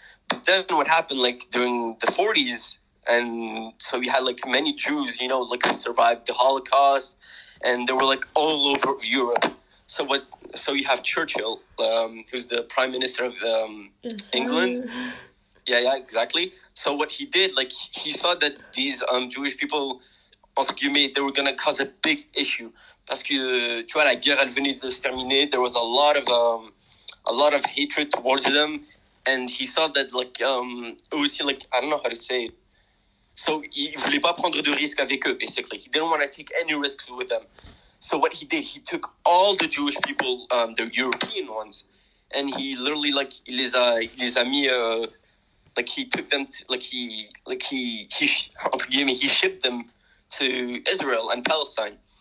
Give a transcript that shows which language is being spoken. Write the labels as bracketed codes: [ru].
[en] But then what happened, like, during the 40s, and so we had, like, many Jews, you know, like, who survived the Holocaust, and they were, like, all over Europe. So you have Churchill, who's the Prime Minister of England. Yeah, exactly. So what he did, like, he saw that these Jewish people, [fr] entre guillemets, [en] they were going to cause a big issue. [fr] Parce que, tu vois, la guerre, elle venait de se terminer. [en] There was a lot of hatred towards them. And he saw that, like, aussi, like, I don't know how to say it. So he [fr] voulait pas prendre de risque avec eux, [en] basically. He didn't want to take any risk with them. So what he did, he took all the Jewish people, the European ones, and he literally, like, he shipped them to Israel and Palestine.